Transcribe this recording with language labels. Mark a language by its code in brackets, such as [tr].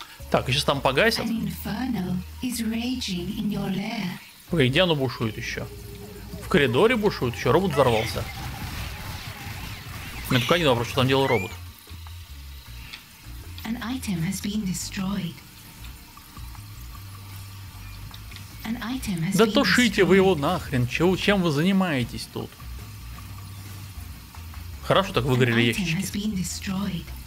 [ru] Так, сейчас там погасят. Погоди, где оно бушует еще? В коридоре бушует еще? Робот взорвался. Ну, только один вопрос, что там делал робот. [en] item has been destroyed. An item has been destroyed. [ru] Да тушите вы его нахрен, чем вы занимаетесь тут? Хорошо, так выгорели ящики.